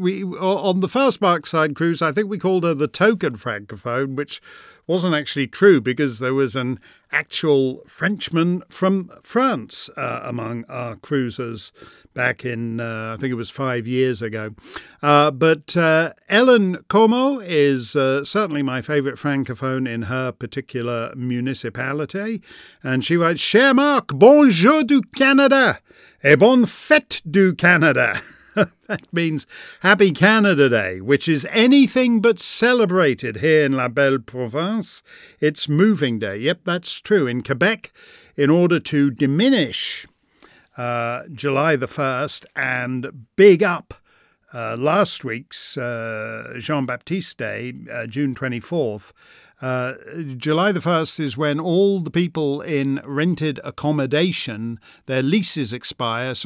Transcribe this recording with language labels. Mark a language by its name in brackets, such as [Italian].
[English] We on the first Markside cruise, I think we called her the token francophone, which wasn't actually true because there was an actual Frenchman from France among our cruisers back in, I think it was 5 years ago. But Ellen Como is certainly my favourite francophone in her particular municipality. And she writes, [French] Cher Marc, bonjour du Canada et bonne fête du Canada. [English] That means Happy Canada Day, which is anything but celebrated here in La Belle Provence. It's moving day. Yep, that's true. In Quebec, in order to diminish July the 1st and big up last week's Jean-Baptiste Day, June 24th, July the 1st is when all the people in rented accommodation, their leases expire.